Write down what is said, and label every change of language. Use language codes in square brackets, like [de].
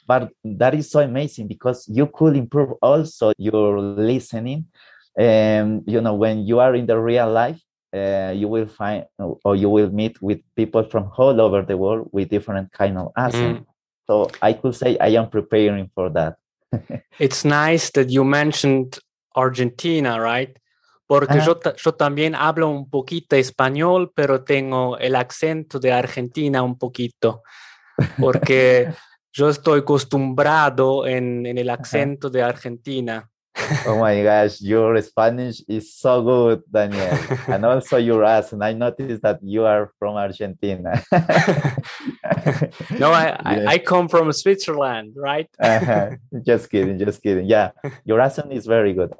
[en] But that is so amazing, because you could improve also your listening. You know, when you are in the real life, you will find, or you will meet with people from all over the world with different kind of accent. So I could say I am preparing for that. It's nice that you mentioned Argentina, right? [es] Porque yo también hablo un poquito español, pero tengo el acento de Argentina un poquito. Porque yo estoy acostumbrado en el acento de Argentina. [en] Oh my gosh, your Spanish is so good, Daniel. And also your accent. I noticed that you are from Argentina. I come from Switzerland, right? Just kidding. Yeah, your accent is very good.